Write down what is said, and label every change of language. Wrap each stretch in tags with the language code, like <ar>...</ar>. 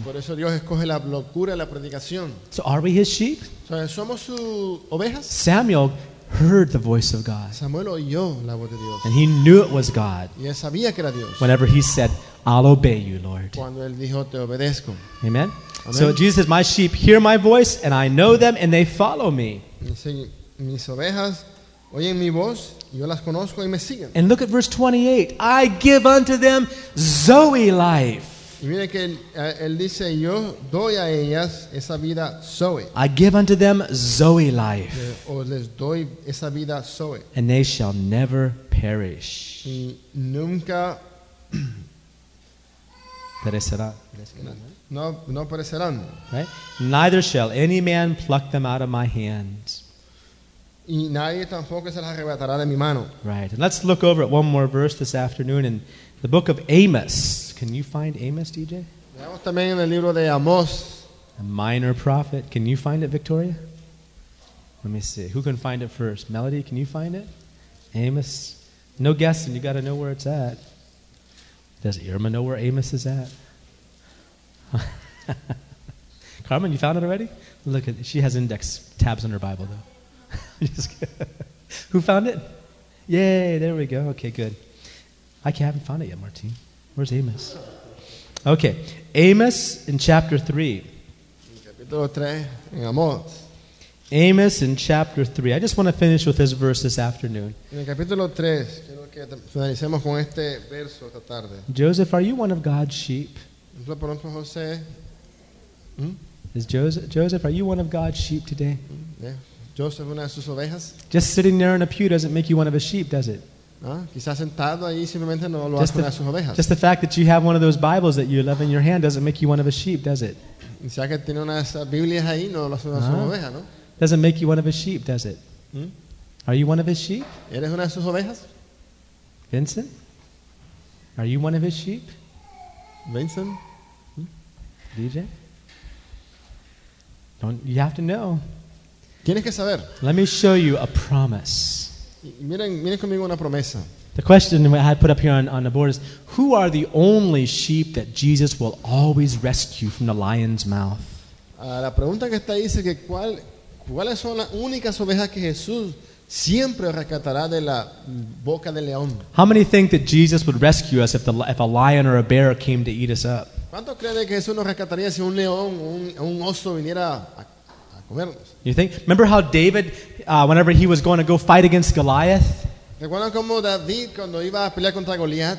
<es>Por eso Dios escoge la locura de la predicación.</es> <en>So are we his sheep?</en> <es>¿Somos sus ovejas?</es> <en>Samuel heard the voice of God.</en> <es>Samuel oyó la voz de Dios.</es> <en>And he knew it was God.</en> <es>Y él sabía que era Dios.</es> <en>Whenever he said, I'll obey you, Lord.</en> <es>Cuando él dijo, te obedezco.</es> <en>Amen? Amen. So Jesus says, my sheep hear my voice and I know them and they follow me.</en> <es>Mis ovejas oyen mi voz, yo las conozco y me siguen.</es> <en>And look at verse 28. I give unto them Zoe life.</en> <es>Y mira que él dice, yo doy a ellas esa vida Zoe.</es> <en>I give unto them Zoe life.</en> <es>O les doy esa vida Zoe.</es> <en>And they shall never perish.</en> <es>Y nunca perecerán. No perecerán.</es> <en>Right? Neither shall any man pluck them out of my hands.</en> <es>Y nadie tampoco se las arrebatará de mi mano.</es> <en>Right. And let's look over at one more verse this afternoon in the book of Amos. Can you find Amos, DJ?</en> <es>Veamos también en el libro de Amos.</es> <en>A minor prophet. Can you find it, Victoria? Let me see. Who can find it first? Melody, can you find it? Amos. No guessing. You got to know where it's at. Does Irma know where Amos is at? Carmen, you found it already? Look, she has index tabs on her Bible, though. Just kidding. Who found it? Yay, there we go. Okay, good. I haven't found it yet, Martin. Where's Amos? Okay, Amos in chapter 3.</en> <es>Capítulo 3, en Amos.</es> <en>Amos in chapter 3. I just want to finish with this verse this afternoon.</en> <es>En el capítulo 3, quiero que finalicemos con este verso esta tarde.</es> <en>Joseph, are you one of God's sheep?</en> <es>Por ejemplo, José.</es> <en>Is Joseph, are you one of God's sheep today?</en> <es>Yeah. Joseph, una de sus ovejas.</es> <en>Just sitting there in a pew doesn't make you one of his sheep, does it? Just the fact that you have one of those Bibles that you love in your hand doesn't make you one of his sheep, does it? Doesn't make you one of his sheep, does it? Are you one of his sheep?</en> <es>¿Eres una de sus ovejas?</es> <en>Vincent? Are you one of his sheep? Vincent? DJ? You have to know.</en> <es>Tienes que saber.</es> <en>Let me show you a promise.</en> <es>Miren conmigo una promesa.</es> <en>The question I had put up here on the board is, who are the only sheep that Jesus will always rescue from the lion's mouth?</en> <es>La pregunta que está ahí dice que ¿cuáles son las únicas ovejas que Jesús siempre rescatará de la boca del león?</es> <en>How many think that Jesus would rescue us if a lion or a bear came to eat us up?</en> <es>¿Cuántos creen que Jesús nos rescataría si un león o un oso viniera a comernos?</es> <en>You think? Remember how David, whenever he was going to go fight against Goliath?</en> <es>¿Recuerdan cómo David cuando iba a pelear contra Goliath?</es>